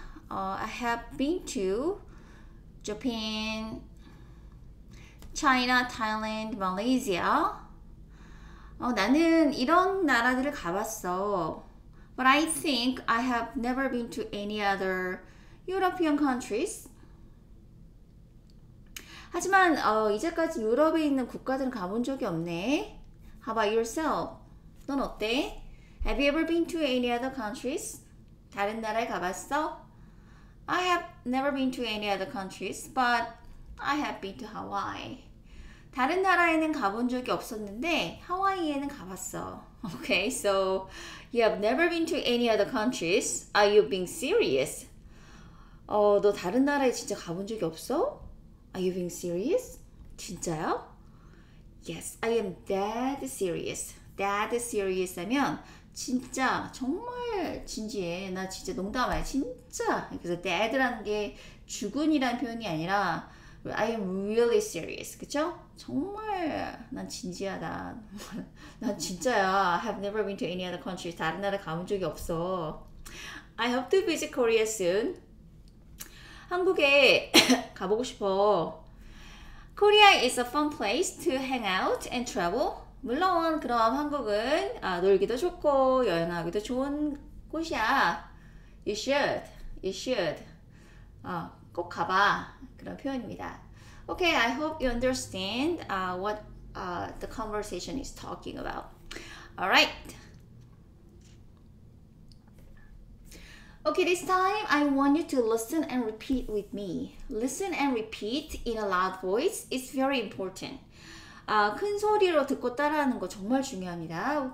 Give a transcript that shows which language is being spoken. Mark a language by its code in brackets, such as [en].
[en] I have been to Japan, China, Thailand, Malaysia. [ko] 나는 이런 나라들을 가봤어. [en] But I think I have never been to any other European countries. [ko] 하지만 이제까지 유럽에 있는 국가들은 가본 적이 없네. [en] How about yourself? [ko] 넌 어때? [en] Have you ever been to any other countries? [ko] 다른 나라에 가봤어? [en] I have never been to any other countries, but I have been to Hawaii. [ko] 다른 나라에는 가본 적이 없었는데 하와이에는 가봤어. [en] Okay, so you have never been to any other countries. Are you being serious? [ko] 너 다른 나라에 진짜 가본 적이 없어? [en] Are you being serious? [ko] 진짜요? [en] Yes, I am dead serious. [ko] Dead serious 하면 진짜 정말 진지해. 나 진짜 농담 아니야. 진짜. 그래서 dead라는 게 죽은이라는 표현이 아니라 [en] I am really serious. [ko] 그쵸? 정말 난 진지하다. 난 진짜야. [en] I have never been to any other country. [ko] 다른 나라 가본 적이 없어. [en] I hope to visit Korea soon. [ko] 한국에 가보고 싶어. [en] Korea is a fun place to hang out and travel. [ko] 물론 그럼 한국은 놀기도 좋고 여행하기도 좋은 곳이야. [en] You should. You should. [ko] 꼭 가봐. 그런 표현입니다. [en] Okay, I hope you understand what the conversation is talking about. Alright. Okay, this time I want you to listen and repeat with me. Listen and repeat in a loud voice is very important. [ko] 큰 소리로 듣고 따라하는 거 정말 중요합니다.